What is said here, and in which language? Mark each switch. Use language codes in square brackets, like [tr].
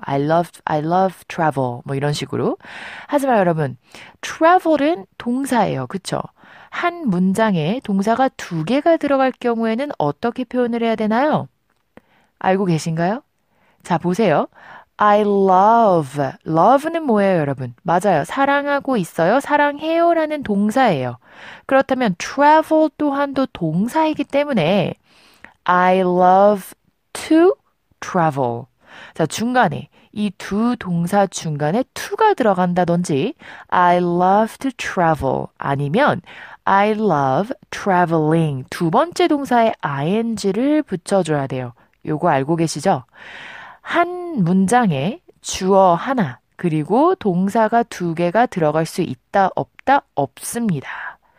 [en] I love travel [ko] 뭐 이런 식으로. 하지만 여러분, travel은 동사예요. 그쵸? 한 문장에 동사가 두 개가 들어갈 경우에는 어떻게 표현을 해야 되나요? 알고 계신가요? 자, 보세요. [en] I love. [ko] love는 뭐예요, 여러분? 맞아요. 사랑하고 있어요. 사랑해요라는 동사예요. 그렇다면 travel 또한도 동사이기 때문에 [en] I love to travel. [ko] 자, 중간에 이두 동사 중간에 to가 들어간다든지 [en] I love to travel [ko] 아니면 [en] I love traveling [ko] 두 번째 동사에 ing를 붙여줘야 돼요. 요거 알고 계시죠? 한 문장에 주어 하나, 그리고 동사가 두 개가 들어갈 수 있다, 없다, 없습니다.